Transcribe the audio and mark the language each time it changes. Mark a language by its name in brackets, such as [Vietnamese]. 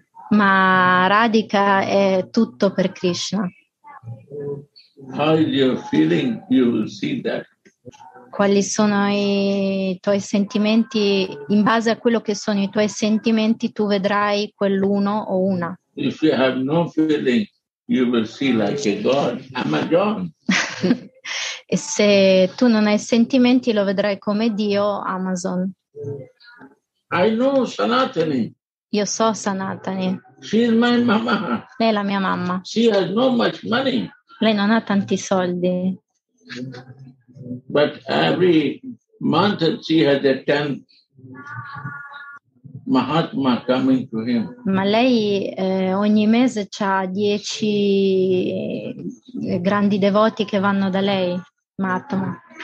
[Italian] Ma Radhika è tutto per Krishna. [English] How is your feeling? You will see that. [Italian] Quali sono i tuoi sentimenti? In base a quello che sono i tuoi sentimenti, tu vedrai quell'uno o una. [English] If you have no feeling, you will see like a god, Amazon. [Italian] E se tu non hai sentimenti, lo vedrai come Dio, Amazon. [English] I know Sanatani. [Italian] Io so Sanatani. [English] She is my mama. [Italian] Lei è la mia mamma. [English] She has not much money. [Italian] Lei non ha tanti soldi. [English] But every month she has a 10 Mahatma coming to him. [Italian] Ma lei ogni mese c'ha 10 grandi devoti che vanno da lei, Mahatma.